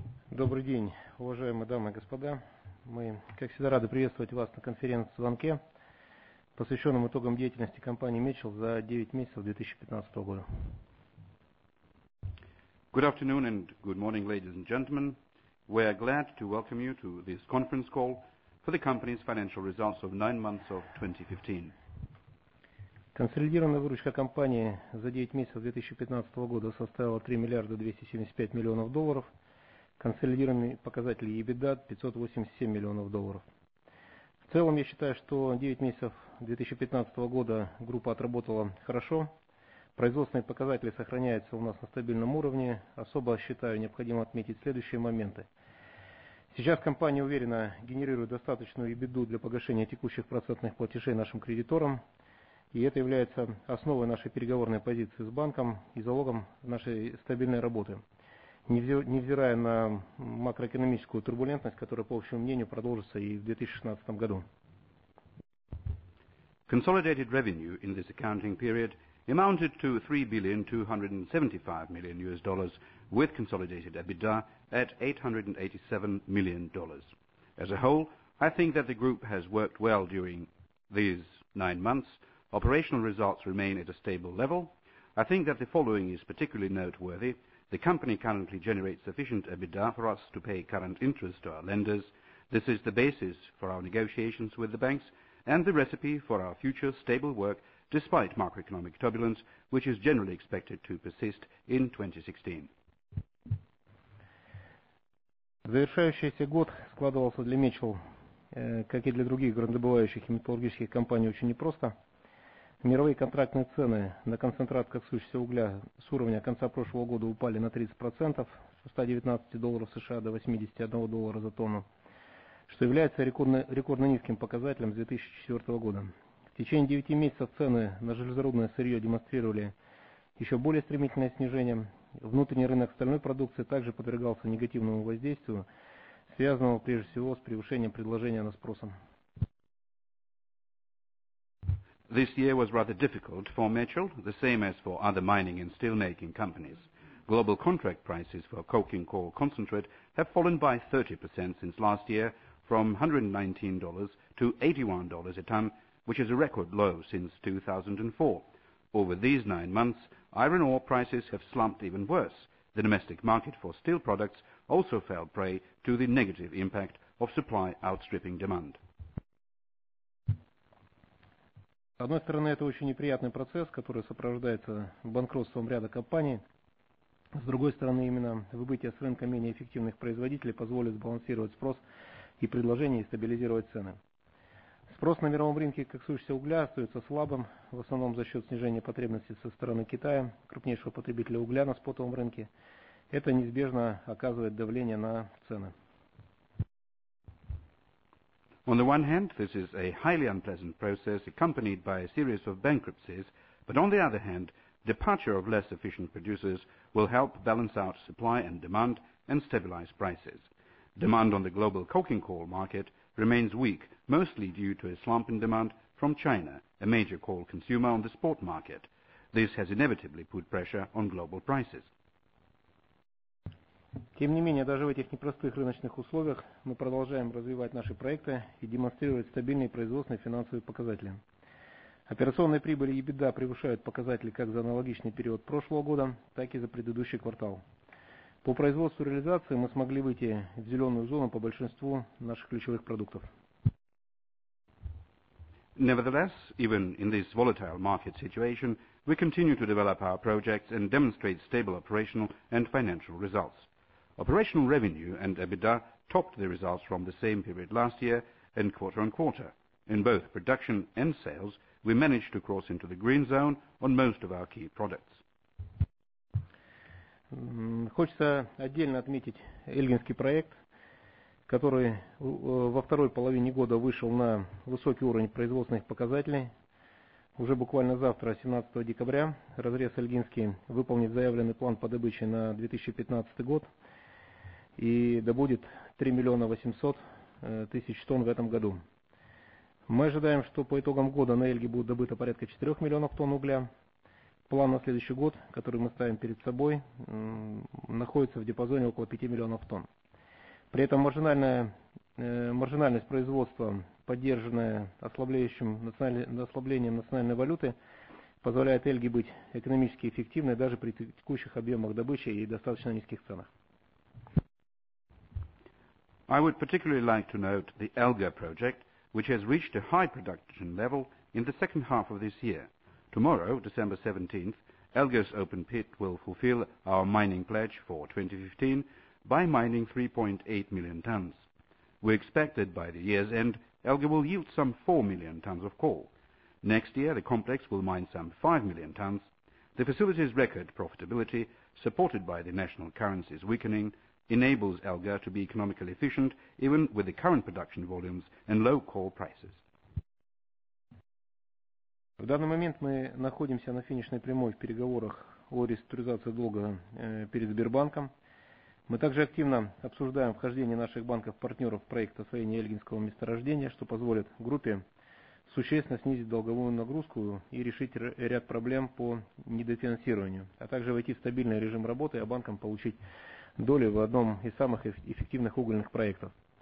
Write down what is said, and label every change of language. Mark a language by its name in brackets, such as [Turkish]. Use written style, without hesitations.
[Russian] Добрый день, уважаемые дамы и господа. Мы, как всегда, рады приветствовать вас на конференц-звонке, посвященном итогам деятельности компании Michel за 9 месяцев 2015 года. [English] Good afternoon and good morning, ladies and gentlemen. We are glad to welcome you to this conference call for the company's financial results of 9 months of 2015. [Russian] Консолидированная выручка компании за 9 месяцев 2015 года составила $3,275,000,000. Консолидированный показатель EBITDA $587,000,000. В целом, я считаю, что 9 месяцев 2015 года группа отработала хорошо. Производственные показатели сохраняются у нас на стабильном уровне. Особо считаю необходимо отметить следующие моменты. Сейчас компания уверенно генерирует достаточную EBITDA для погашения текущих процентных платежей нашим кредиторам. И это является основой нашей переговорной позиции с банком и залогом нашей стабильной работы. Невзирая на макроэкономическую турбулентность, которая, по общему мнению, продолжится и в 2016 году. [English] Consolidated revenue in this accounting period amounted to $3,275,000,000 with consolidated EBITDA at $887,000,000. As a whole, I think that the group has worked well during these 9 months. Operational results remain at a stable level. I think that the following is particularly noteworthy. The company currently generates sufficient EBITDA for us to pay current interest to our lenders. This is the basis for our negotiations with the banks and the recipe for our future stable work despite macroeconomic turbulence, which is generally expected to persist in 2016. [Russian] Завершающийся год складывался для Michel, как и для других горнодобывающих и металлургических компаний, очень непросто. Мировые контрактные цены на концентрат коксующегося угля с уровня конца прошлого года упали на 30%, со $119 США до $81 за тонну, что является рекордно низким показателем с 2004 года. В течение 9 месяцев цены на железорудное сырье демонстрировали еще более стремительное снижение. Внутренний рынок стальной продукции также подвергался негативному воздействию, связанному прежде всего с превышением предложения над спросом. [English] This year was rather difficult for Michel, the same as for other mining and steelmaking companies. Global contract prices for coking coal concentrate have fallen by 30% since last year, from $119 to $81 a ton, which is a record low since 2004. Over these 9 months, iron ore prices have slumped even worse. The domestic market for steel products also fell prey to the negative impact of supply outstripping demand. [Russian] С одной стороны, это очень неприятный процесс, который сопровождается банкротством ряда компаний. С другой стороны, именно выбытие с рынка менее эффективных производителей позволит сбалансировать спрос и предложение и стабилизировать цены. С Спрос на мировом рынке коксующегося угля остается слабым, в основном за счет снижения потребностей со стороны Китая, крупнейшего потребителя угля на спотовом рынке. Это неизбежно оказывает давление на цены. [English] On the one hand, this is a highly unpleasant process accompanied by a series of bankruptcies, but on the other hand, departure of less efficient producers will help balance out supply and demand and stabilize prices. Demand on the global coking coal market remains weak, mostly due to a slump in demand from China, a major coal consumer on the spot market. This has inevitably put pressure on global prices. [Russian] Тем не менее, даже в этих непростых рыночных условиях мы продолжаем развивать наши проекты и демонстрировать стабильные производственные и финансовые показатели. Операционные прибыли EBITDA превышают показатели как за аналогичный период прошлого года, так и за предыдущий квартал. По производству и реализации мы смогли выйти в зеленую зону по большинству наших ключевых продуктов. [English] Nevertheless, even in this volatile market situation, we continue to develop our projects and demonstrate stable operational and financial results. Operational revenue and EBITDA topped the results from the same period last year and quarter on quarter. In both production and sales, we managed to cross into the green zone on most of our key products. [Russian] Хочется отдельно отметить Эльгинский проект, который во второй половине года вышел на высокий уровень производственных показателей. Уже буквально завтра, 17 декабря, разрез Эльгинский выполнит заявленный план по добыче на 2015 год и добудет 3 миллиона 800 тысяч тонн в этом году. Мы ожидаем, что по итогам года на Эльге будет добыто порядка 4 миллионов тонн угля. План на следующий год, который мы ставим перед собой, находится в диапазоне около 5 миллионов тонн. При этом маржинальность производства, поддержанная ослаблением национальной валюты, позволяет Эльге быть экономически эффективной даже при текущих объемах добычи и достаточно низких ценах. [English] I would particularly like to note the Elga project, which has reached a high production level in the second half of this year. Tomorrow, December 17th, Elga's open pit will fulfill our mining pledge for 2015 by mining 3.8 million tons. We expect that by the year's end, Elga will yield some 4 million tons of coal. Next year, the complex will mine some 5 million tons. The facility's record profitability, supported by the national currency's weakening, enables Elga to be economically efficient even with the current production volumes and low coal prices. [Russian] В данный момент мы находимся на финишной прямой в переговорах о реструктуризации долга перед Сбербанком. Мы также активно обсуждаем вхождение наших банков-партнеров в проект освоения Эльгинского месторождения, что позволит группе существенно снизить долговую нагрузку и решить ряд проблем по недофинансированию, а также войти в стабильный режим работы, а банкам получить доли в одном из самых эффективных угольных проектов.